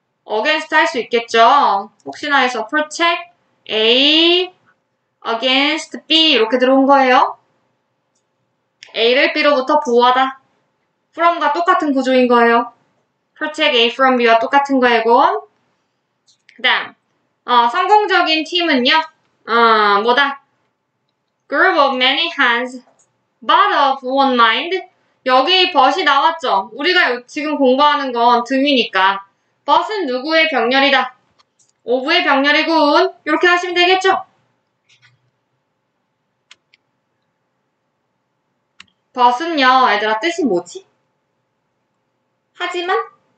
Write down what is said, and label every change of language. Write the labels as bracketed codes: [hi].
[ko] against 할수 있겠죠. 혹시나 해서 protect A against B 이렇게 들어온 거예요. A를 B로부터 보호하다. from과 똑같은 구조인 거예요. protect A from B와 똑같은 거이고. 그다음, 성공적인 팀은요. 뭐다? [en] group of many hands, but of one mind. [ko] 여기 but이 나왔죠? 우리가 지금 공부하는 건 등이니까. but은 누구의 병렬이다? of의 병렬이군. 이렇게 하시면 되겠죠? but은요, 얘들아, 뜻이 뭐지? 하지만?